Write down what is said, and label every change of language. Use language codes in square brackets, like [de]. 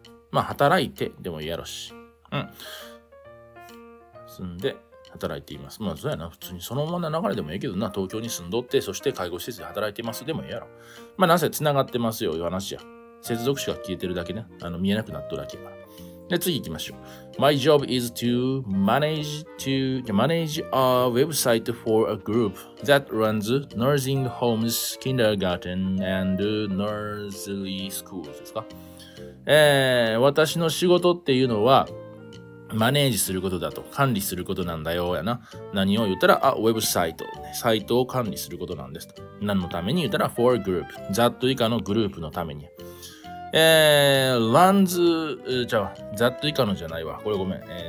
[ja] まあ、働いてでもいいやろし。うん。住んで働いています。まあ、そうやな。普通にそのままの流れでもいいけどな。東京に住んどって、そして介護施設で働いています。でもいいやろ。まあ、なぜ繋がってますよ、いう話や。接続詞が消えてるだけね。見えなくなっただけやから。で、次行きましょう。 [en] My job is to manage a website for a group that runs nursing homes, kindergarten, and nursery schools [ja] ですか？私の仕事っていうのは、マネージすることだと、管理することなんだよ、やな。何を言ったら、あ、ウェブサイト。サイトを管理することなんですと。何のために言ったら、 [en] for a group。 [ja] ざっと以下のグループのために。 runs, じゃあ、ざっと以下のじゃないわ。これごめん。